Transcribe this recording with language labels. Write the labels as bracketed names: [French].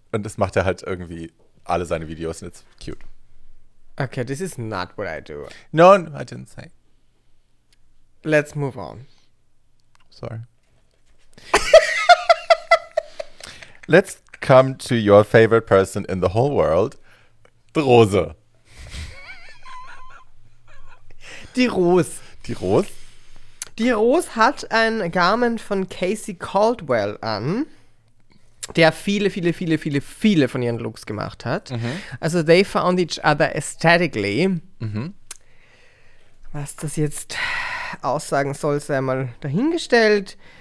[German] Und das macht er halt irgendwie alle seine Videos und [English] it's cute. Okay, this is not what I do. No, no, I didn't say. Let's move on. Sorry. Let's come to your favorite person in the whole world, [German] die Rose. Die Rose. Die Rose? Die Rose hat ein Garment von Casey Caldwell an, der viele, viele, viele, viele, viele von ihren Looks gemacht hat. Mhm. [English] Also they found each other aesthetically. Mhm. [German] Was das jetzt aussagen soll, sei mal dahingestellt.